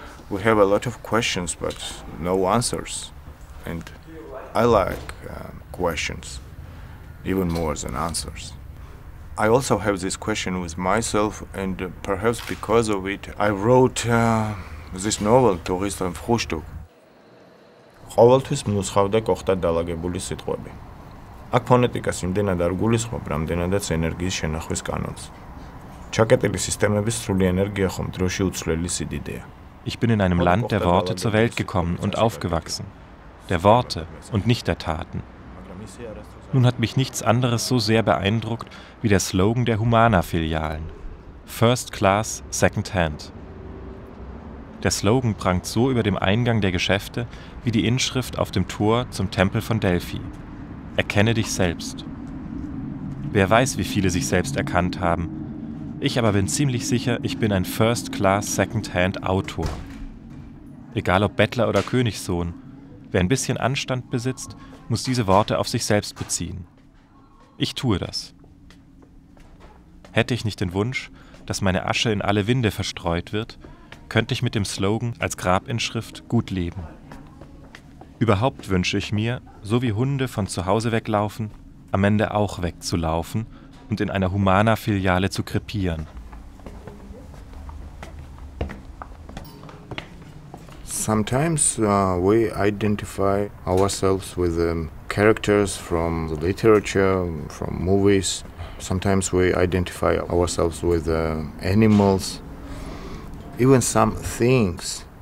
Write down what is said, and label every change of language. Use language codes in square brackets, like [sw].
[en] We have a lot of questions, but no answers. And I like questions even more than answers. I also have this question with myself, and perhaps because of it, I wrote this novel, Tourist am Frühstück. [ka] Ყოველთვის მნიშვნელოვანია კოხტა დაალაგებული სიტყვები. Აქ ფონეტიკას იმდენად არ გულისხმობ, რამდენადაც ენერგიის შენახვის კანონს. ჩაკეტილი სისტემების სრული ენერგია ხომ დროში უცვლელი სიდიდეა. [de] Ich bin in einem Land der Worte zur Welt gekommen und aufgewachsen. Der Worte und nicht der Taten. Nun hat mich nichts anderes so sehr beeindruckt wie der Slogan der Humana-Filialen. First Class, Second Hand. Der Slogan prangt so über dem Eingang der Geschäfte wie die Inschrift auf dem Tor zum Tempel von Delphi. Erkenne dich selbst. Wer weiß, wie viele sich selbst erkannt haben. Ich aber bin ziemlich sicher, ich bin ein First Class Second Hand Autor. Egal ob Bettler oder Königssohn, wer ein bisschen Anstand besitzt, muss diese Worte auf sich selbst beziehen. Ich tue das. Hätte ich nicht den Wunsch, dass meine Asche in alle Winde verstreut wird, könnte ich mit dem Slogan als Grabinschrift gut leben. Überhaupt wünsche ich mir, so wie Hunde von zu Hause weglaufen, am Ende auch wegzulaufen und in einer Humana-Filiale zu krepieren. [en] Sometimes we identify ourselves with the characters from the literature, from movies. Sometimes we identify ourselves with the animals, even some things.